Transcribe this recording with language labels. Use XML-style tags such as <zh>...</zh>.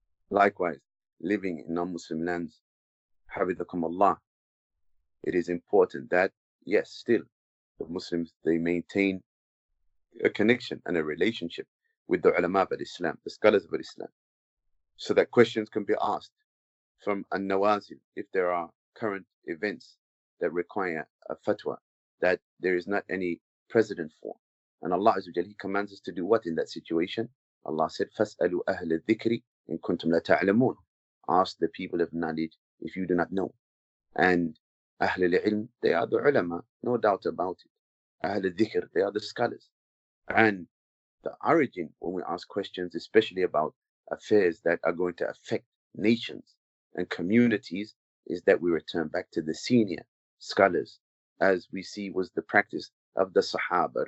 <en>Likewise, living in non-Muslim lands, habithakum Allah, it is important that, yes, still, the Muslims, they maintain a connection and a relationship with the ulama of Islam, the scholars of Islam, so that questions can be asked from an-nawazil, if there are current events that require a fatwa that there is not any precedent for. And Allah Azza wa Jalla, He commands us to do what in that situation? Allah said,</en> <ar>فَاسْأَلُوا أَهْلَ الذِّكْرِ إِن كُنْتُمْ لَتَعْلَمُونَ.</ar> <en>Ask the people of knowledge if you do not know. And أَهْلَ الْعِلْمِ, they are the ulama, no doubt about it. أَهْلَ الذِّكْرِ, they are the scholars. And the origin, when we ask questions, especially about affairs that are going to affect nations and communities, is that we return back to the senior scholars, as we see was the practice of the Sahaba.</en>